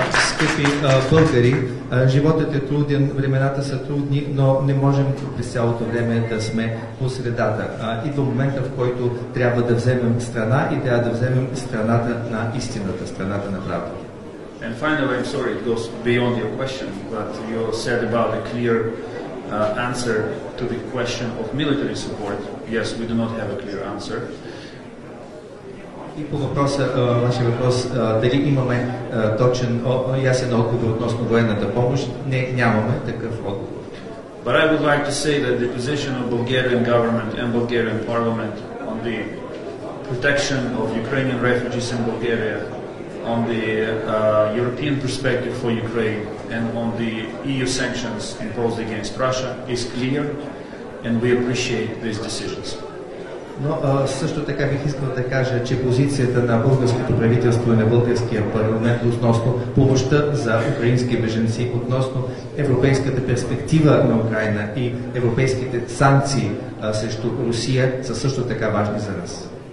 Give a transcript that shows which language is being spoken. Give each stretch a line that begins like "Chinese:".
Bulgarian: Скъпи българи, животът е труден, времената са трудни, но не можем през цялото време да сме по средата. Идва момента, в който трябва да вземем страна и трябва да вземем страната на истината, страната на правдата.
English: And finally, I'm sorry, it goes beyond your question, but you said about a clear answer to the question of military support. Yes, we do not have a clear answer.
Bulgarian: И по въпроса, нашия въпрос, дали имаме точен ясен отговор относно военната помощ, не, нямаме такъв отговор.
English: But I would like to say that the position of Bulgarian government and Bulgarian parliament on the protection of Ukrainian refugees in Bulgaria, on the European perspective for Ukraine and on the EU sanctions imposed against Russia is clear, and we appreciate these decisions.
Bulgarian: Но също така бих искал да кажа, че позицията на българското правителство и на българския парламент относно помощта за украински беженци, относно европейската перспектива на Украина и европейските санкции срещу Русия са също така важни за нас.